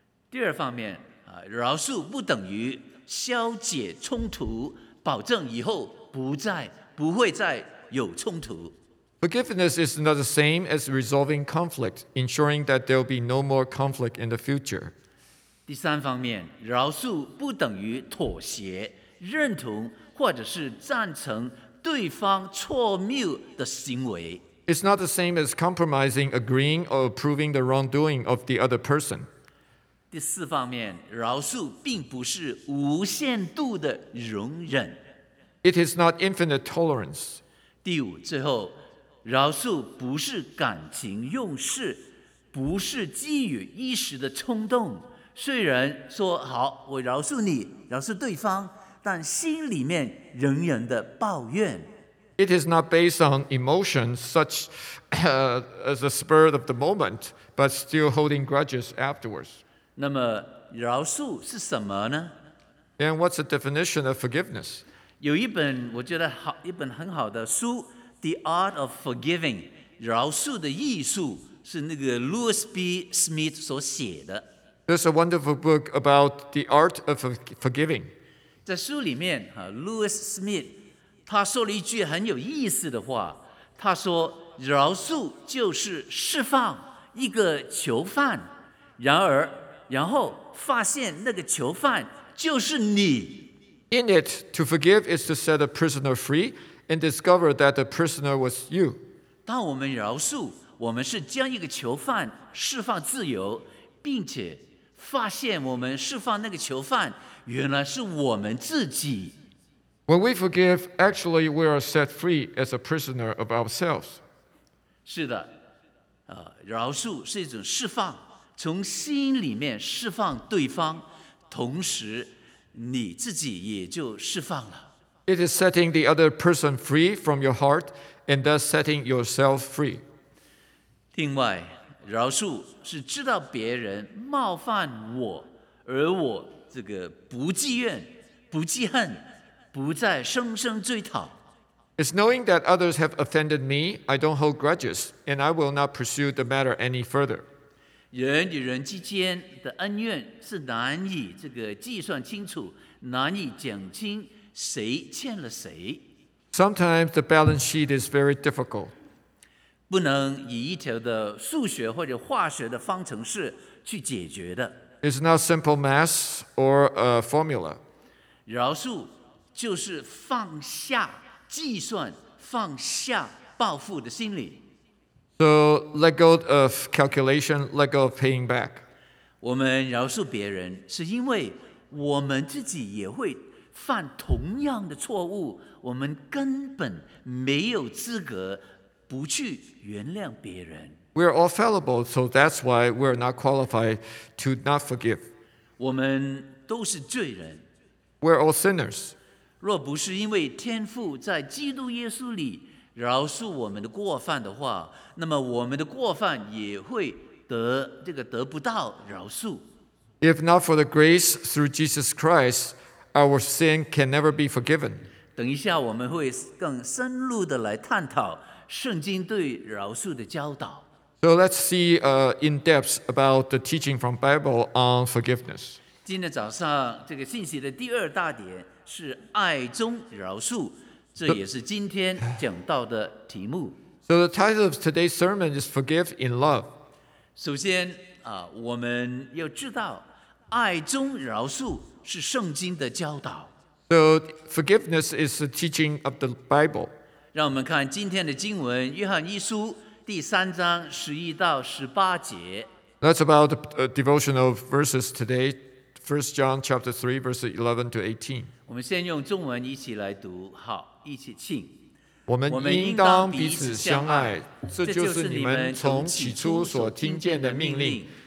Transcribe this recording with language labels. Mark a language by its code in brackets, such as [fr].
[zh] 第二方面，饶恕不等于消解冲突，保证以后不会再有冲突。 [en] Forgiveness is not the same as resolving conflict, ensuring that there will be no more conflict in the future. [zh] 第三方面，饶恕不等于妥协、认同或者是赞成对方错谬的行为。 [en] It's not the same as compromising, agreeing, or approving the wrongdoing of the other person. [zh] 第四方面，饶恕并不是无限度的容忍。 [en] It is not infinite tolerance. [zh] 第五，最后，饶恕不是感情用事，不是基于一时的冲动。虽然说好，我饶恕你，饶恕对方，但心里面仍然的抱怨。 [en] It is not based on emotion such as the spur of the moment, but still holding grudges afterwards. [zh] 那么饶恕是什么呢？ [en] And what's the definition of forgiveness? [zh] 有一本我觉得好，一本很好的书 The Art of Forgiving, 饶恕的艺术，是那个 Louis B. Smith 所写的。 [en] There's a wonderful book about the art of forgiving. [zh] 在书里面 Louis Smith他说了一句很有意思的话，他说饶恕就是释放一个囚犯，然后发现那个囚犯就是你。 [en] In it, to forgive is to set a prisoner free and discover that the prisoner was you. [zh] 当我们饶恕，我们是将一个囚犯释放自由，并且发现我们释放那个囚犯原来是我们自己。 [en] When we forgive, actually we are set free as a prisoner of ourselves. [zh] 是的，饶恕是一种释放，从心里面释放对方，同时你自己也就释放了。 [en] It is setting the other person free from your heart and thus setting yourself free. [zh] 另外，饶恕是知道别人冒犯我，而我这个不记怨、不记恨。不再生生追讨。 [en] It's knowing that others have offended me, I don't hold grudges, and I will not pursue the matter any further. [zh] 人与人之间的恩怨是难以这个计算清楚，难以讲清谁欠了谁。 [en] Sometimes the balance sheet is very difficult. [zh] 不能以一条的数学或者化学的方程式去解决的。 [en] It's not simple math or a formula. [zh] 饶恕就是放下计算、放下报复的心理。 [en] So let go of calculation, let go of paying back. [zh] 我们饶恕别人，是因为我们自己也会犯同样的错误，我们根本没有资格不去原谅别人。 [en] We are all fallible, so that's why we're not qualified to not forgive. [zh] 我们都是罪人。 [en] We're all sinners. [zh] 若不是因为天父在基督耶稣里饶恕我们的过犯的话，那么我们的过犯也会得不到饶恕。 [en] If not for the grace through Jesus Christ, our sin can never be forgiven. [zh] 等一下我们会更深入的来探讨圣经对饶恕的教导。 [en] So let's see in depth about the teaching from Bible on forgiveness. [zh] 今天早上这个信息的第二大点是爱中饶恕，这也是今天讲到的题目。 [en] So the title of today's sermon is Forgive in Love. [zh] 首先，我们要知道爱中饶恕是圣经的教导。 [en] So forgiveness is the teaching of the Bible. [zh] 让我们看今天的经文，约翰一书第三章十一到十八节。 [en] That's about the devotional verses today. 1 John chapter 3 verses 11 to 18. [zh] 我们先用中文一起来读，好，一起请。我们应当彼此相爱，这就是你们从起初所听见的命令。